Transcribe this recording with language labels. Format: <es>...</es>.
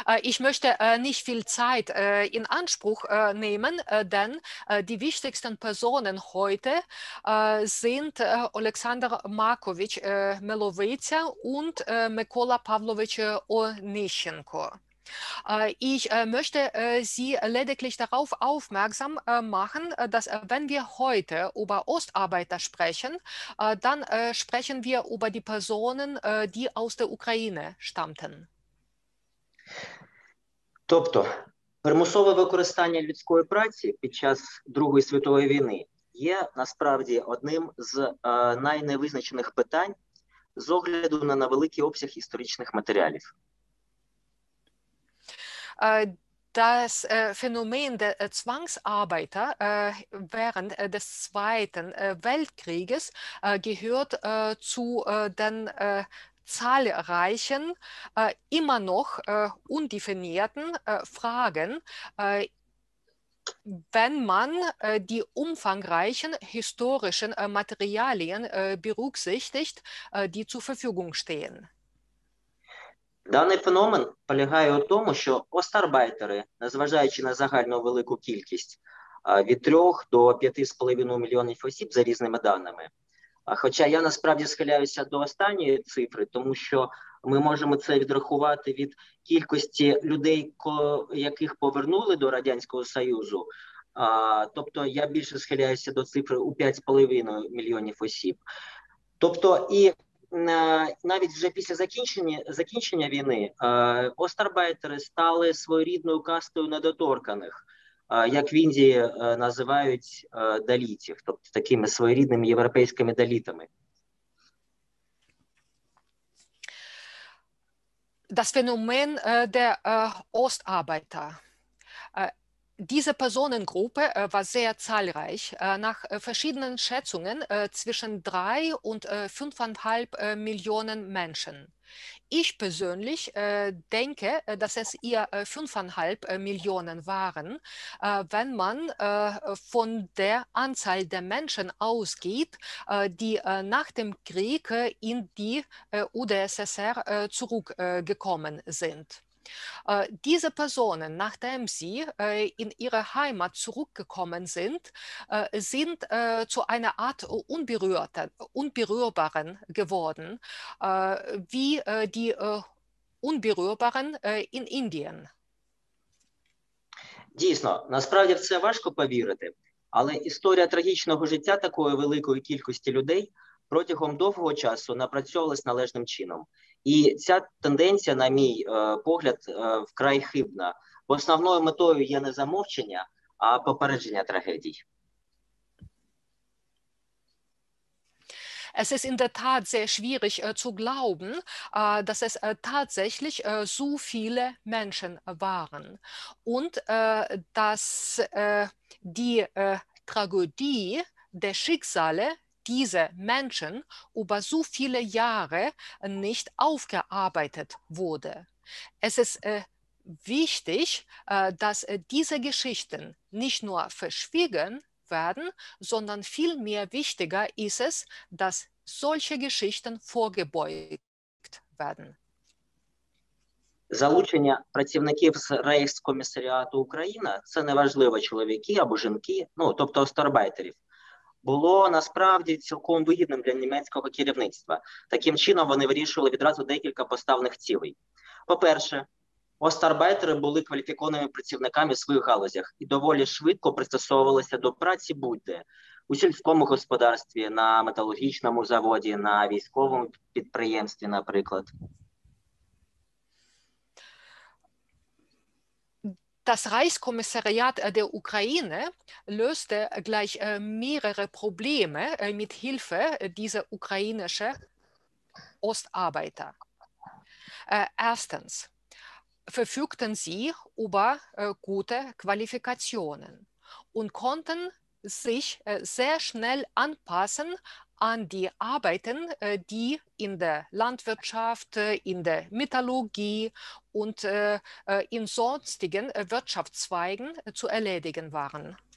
<de>Ich möchte nicht viel Zeit in Anspruch nehmen, denn die wichtigsten Personen heute sind Alexander Markovic Melovica und Mykola Pavlovic Onischenko. Ich möchte Sie lediglich darauf aufmerksam machen, dass wenn wir heute über Ostarbeiter sprechen, dann sprechen wir über die Personen, die aus der Ukraine stammten.</de> <uk>Тобто, примусове використання людської праці під час Другої світової війни є насправді одним з найневизначених питань з огляду на великий обсяг історичних матеріалів.</uk> <de>Das Phänomen der Zwangsarbeiter während des Zweiten Weltkrieges gehört zu den zahlreichen, immer noch undefinierten Fragen, wenn man die umfangreichen historischen Materialien berücksichtigt, die zur Verfügung stehen.</de> <uk>Даний феномен полягає у тому, що остарбайтери, незважаючи на загальну велику кількість, від 3 до 5,5 мільйонів осіб за різними даними, хоча я насправді схиляюся до останньої цифри, тому що ми можемо це відрахувати від кількості людей, яких повернули до Радянського Союзу. Тобто я більше схиляюся до цифри у 5,5 мільйонів осіб. Тобто і навіть вже після закінчення війни остарбайтери стали своєрідною кастою недоторканих, як в Індії називають далітів, тобто такими своєрідними європейськими далітами.</uk> <de>das Phänomen der Ostarbeiter. Diese Personengruppe war sehr zahlreich. Nach verschiedenen Schätzungen zwischen 3 und 5,5 Millionen Menschen. Ich persönlich denke, dass es eher 5,5 Millionen waren, wenn man von der Anzahl der Menschen ausgeht, die nach dem Krieg in die UdSSR zurückgekommen sind. Diese Personen, nachdem sie in ihre Heimat zurückgekommen sind, sind zu einer Art Unberührbaren geworden, wie die Unberührbaren in Indien.</de> <uk>Дійсно, насправді в це важко повірити, але історія трагічного життя такої великої кількості людей протягом довгого часу напрацьовувалась належним чином. І ця тенденція, на мій погляд, вкрай хибна. Бо основною метою є не замовчення, а попередження трагедій.</uk> <de>Es ist in der Tat sehr schwierig zu glauben, dass es tatsächlich so viele Menschen waren und dass die Tragödie der Schicksale dieser Menschen über so viele Jahre nicht aufgearbeitet wurde. Es ist wichtig, dass diese Geschichten nicht nur verschwiegen werden, sondern viel mehr wichtiger ist es, dass solche Geschichten vorgebeugt werden.</de> <uk>Залучення працівників з Рейхскомісаріату Україна, це неважливо, чоловіки або жінки, ну, тобто остарбайтерів, було насправді цілком вигідним для німецького керівництва. Таким чином вони вирішували відразу декілька поставлених цілей. По-перше, остарбайтери були кваліфікованими працівниками в своїх галузях і доволі швидко пристосовувалися до праці будь-де у сільському господарстві, на металургічному заводі, на військовому підприємстві, наприклад.</uk> <de>Das Reichskommissariat der Ukraine löste gleich mehrere Probleme mit Hilfe dieser ukrainischen Ostarbeiter. Erstens verfügten sie über gute Qualifikationen und konnten sich sehr schnell anpassen an die Arbeiten, die in der Landwirtschaft, in der Metallurgie und in sonstigen Wirtschaftszweigen zu erledigen waren.</de>